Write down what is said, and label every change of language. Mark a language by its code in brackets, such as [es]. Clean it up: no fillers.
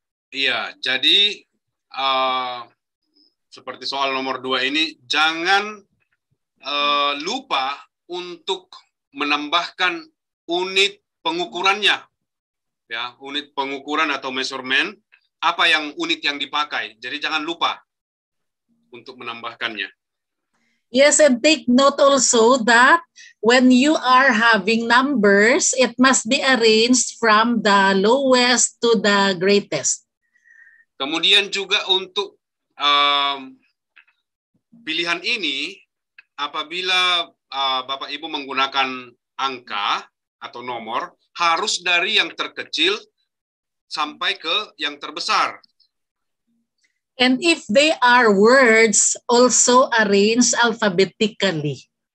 [id] Iya, jadi seperti soal nomor 2 ini, jangan lupa untuk menambahkan unit pengukurannya. Ya, unit pengukuran atau measurement, apa yang unit yang dipakai. Jadi jangan lupa untuk menambahkannya. [en] Yes, and take note also that when you are having numbers, it must be arranged from the lowest to the greatest. [id] Kemudian juga untuk pilihan ini, apabila Bapak Ibu menggunakan angka atau nomor, harus dari yang terkecil sampai ke yang terbesar. [en] And if they are words, also arrange alphabetically.